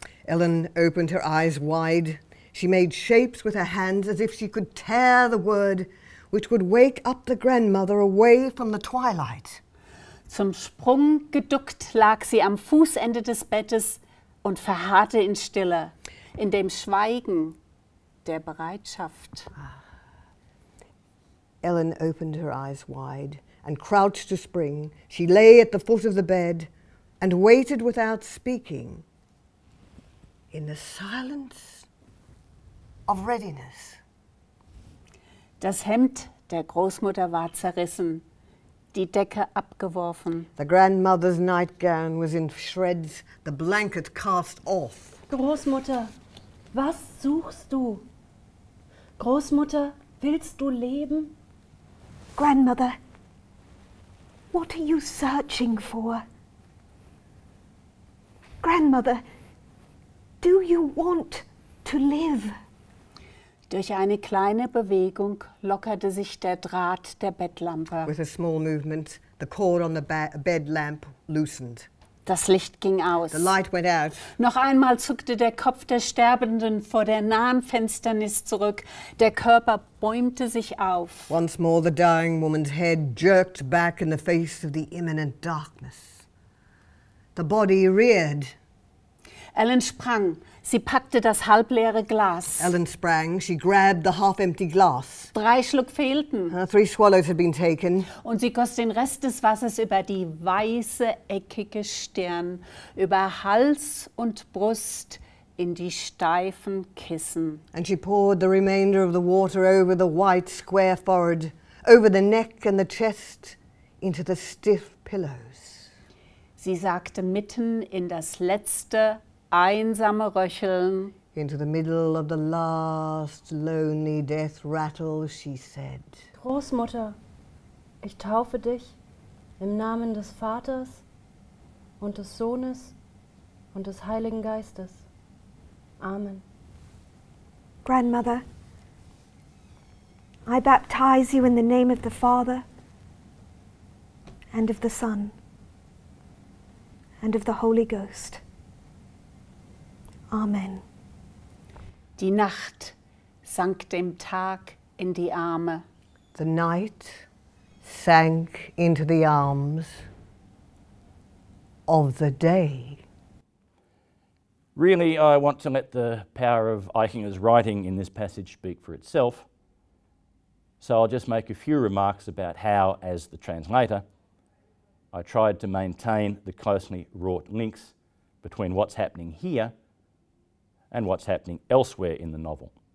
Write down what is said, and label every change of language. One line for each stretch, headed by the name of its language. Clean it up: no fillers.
English: Ellen opened her eyes wide. She made shapes with her hands as if she could tear the word which would wake up the grandmother away from the twilight.
German: Zum Sprung geduckt lag sie am Fußende des Bettes und verharrte in Stille, in dem Schweigen der Bereitschaft.
English: Ellen opened her eyes wide and crouched to spring. She lay at the foot of the bed and waited without speaking. In the silence of readiness.
German: Das Hemd der Großmutter war zerrissen, die Decke abgeworfen.
English: The grandmother's nightgown was in shreds, the blanket cast off.
German: Großmutter, was suchst du? Großmutter, willst du leben?
English: Grandmother, what are you searching for? Grandmother, do you want to live?
German: Durch eine kleine Bewegung lockerte sich der Draht der Bettlampe.
English: With a small movement, the cord on the bed lamp loosened.
German: Das Licht ging aus.
English: The light went out.
German: Noch einmal zuckte der Kopf der Sterbenden vor der nahen Finsternis zurück. Der Körper bäumte sich auf.
English: Once more the dying woman's head jerked back in the face of the imminent darkness. The body reared.
German: Ellen sprang. Sie packte das halbleere Glas.
English: Ellen sprang. She grabbed the half-empty glass.
German: Drei Schluck fehlten.
English: Three swallows had been taken.
German: Und sie goss den Rest des Wassers über die weiße, eckige Stirn, über Hals und Brust in die steifen Kissen.
English: And she poured the remainder of the water over the white, square forehead, over the neck and the chest, into the stiff pillows.
German: Sie sagte mitten in das letzte einsame Röcheln.
English: Into the middle of the last lonely death rattle, she said.
German: Großmutter, ich taufe dich im Namen des Vaters und des Sohnes und des Heiligen Geistes. Amen.
English: Grandmother, I baptize you in the name of the Father and of the Son and of the Holy Ghost. Amen.
German: Die Nacht sank dem Tag in die Arme.
English: The night sank into the arms of the day. Really, I want to let the power of Aichinger's writing in this passage speak for itself. So I'll just make a few remarks about how, as the translator, I tried to maintain the closely wrought links between what's happening here and what's happening elsewhere in the novel.